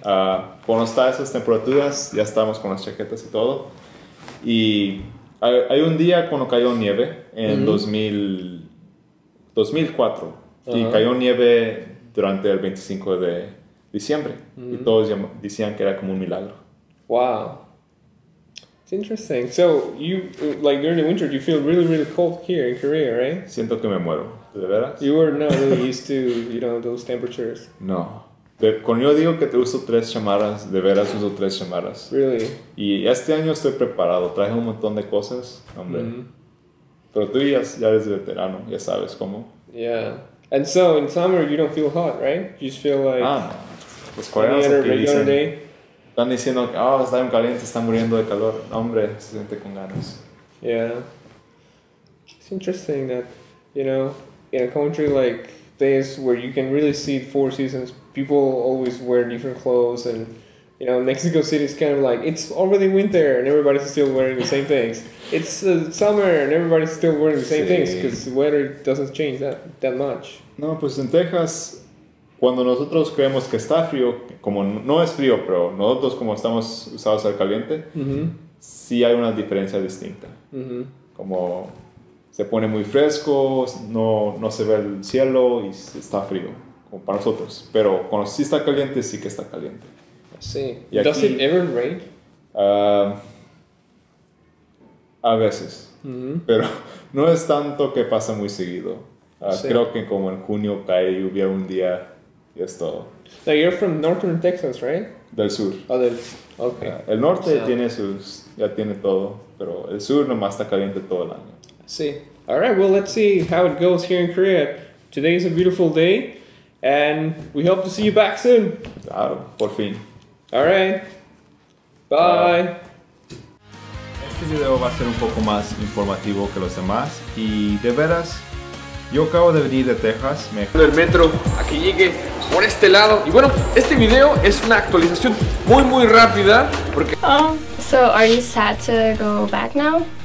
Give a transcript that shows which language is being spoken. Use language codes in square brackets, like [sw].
[es] Cuando está esas temperaturas, ya estamos con las chaquetas y todo. Y hay un día cuando cayó nieve, en mm-hmm. 2004. Uh-huh. Y cayó nieve durante el 25 de diciembre. Mm-hmm. Y todos decían que era como un milagro. [en] Wow. It's interesting. So, you, like, during the winter, you feel really, really cold here in Korea, right? [es] Siento que me muero. ¿De veras? [en] You were not really used to, you know, those temperatures. [es] No. Cuando yo digo que te uso 3 chamarras, de veras uso 3 chamarras. [en] Really? [es] Y este año estoy preparado. Traje un montón de cosas, hombre. Mm-hmm. Pero tú ya eres veterano. Ya sabes cómo. [en] Yeah. And so, in summer, you don't feel hot, right? You just feel like... [es] Ah, pues, ¿cuál es el [en] regular day? [es] Están diciendo que, oh, está bien caliente, está muriendo de calor. No, hombre, se siente con ganas. [en] Yeah. It's interesting that, you know, in a country like this, where you can really see 4 seasons, people always wear different clothes. And, you know, Mexico City is kind of like, it's already winter and everybody's still wearing the same things. It's summer and everybody's still wearing the same [es] sí. [en] things because the weather doesn't change that much. [es] No, pues en Texas... Cuando nosotros creemos que está frío, como no es frío, pero nosotros como estamos usados al caliente, mm-hmm. sí hay una diferencia distinta. Uh-huh. Como se pone muy fresco, no se ve el cielo y está frío, como para nosotros. Pero cuando sí está caliente, sí que está caliente. Sí. Y aquí, [en] ¿does it ever rain? [es] A veces. Uh-huh. Pero no es tanto que pasa muy seguido. Sí. Creo que como en junio cae lluvia un día y es todo. [en] Now you're from northern Texas, right? [es] Del sur. [en] Oh, [es] del... [en] Okay. [es] El norte tiene sus, ya tiene todo, pero el sur nomás está caliente todo el año. Sí. [en] All right, well, let's see how it goes here in Korea. Today is a beautiful day, and we hope to see you back soon. [es] Claro, por fin. [en] All right. Bye. [es] Este video va a ser un poco más informativo que los demás, y de veras, yo acabo de venir de Texas, me fui del metro a que llegue por este lado. Y bueno, este video es una actualización muy muy rápida porque... [en] So, are you sad to go back now?